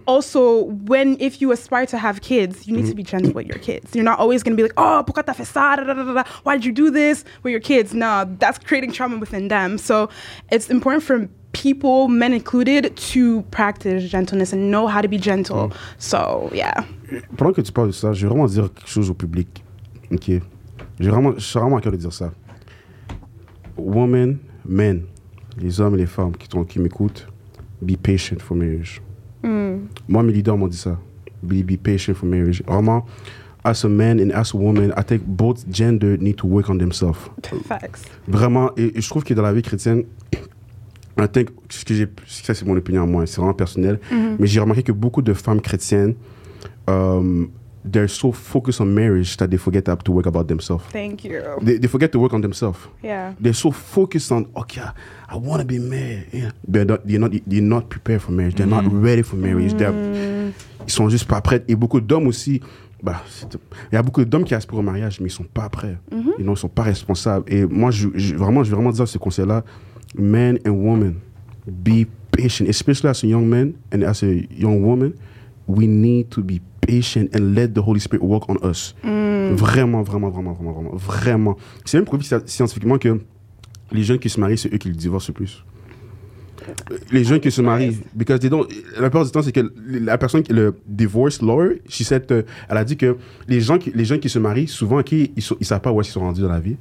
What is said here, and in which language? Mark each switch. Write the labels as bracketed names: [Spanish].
[English] Also, if you aspire to have kids, you need to be gentle with your kids. You're not always going to be like, [French] oh, pourquoi t'as fait ça? [English] Da, da, da, da. Why did you do this with your kids? No, that's creating trauma within them. So it's important for people, men included, to practice gentleness and know how to be gentle. So, yeah. [French] Pendant que tu parles de ça, je veux vraiment dire quelque chose au public. OK? Je suis vraiment à cœur de dire ça. [English] Women, men, [French] les hommes et les femmes qui m'écoutent, [English] be patient for marriage. [French] Moi, mes leaders m'ont dit ça. [English] Be patient for marriage. Vraiment, as a man and as a woman, I think both genders need to work on themselves. Facts. [French] Vraiment, et je trouve que dans la vie chrétienne, I think, ça c'est mon opinion à moi, c'est vraiment personnel, mais j'ai remarqué que beaucoup de femmes chrétiennes, [English] they're so focused on marriage that they forget to work about themselves. Thank you. They forget to work on themselves. Yeah. They're so focused on, okay, I want to be married. Yeah. But they're not prepared for marriage. They're not ready for marriage. [French] Ils sont juste pas prêts. Et beaucoup d'hommes aussi, il y a beaucoup d'hommes qui aspirent au mariage, mais ils sont pas prêts. Ils sont pas responsables. Et moi, je veux vraiment dire ce conseil-là. [English] Men and women, be patient. Especially as a young man and as a young woman, we need to be patient and let the Holy Spirit work on us. [French] Vraiment. C'est même prouvé scientifiquement que les jeunes qui se marient, c'est eux qui le divorcent le plus. Les jeunes qui se marient, [English] because they don't, [French] la plupart du temps, c'est que la personne, le divorce lawyer, elle a dit que les gens qui se marient, souvent, okay, ils ne savent pas où ils sont rendus dans la vie.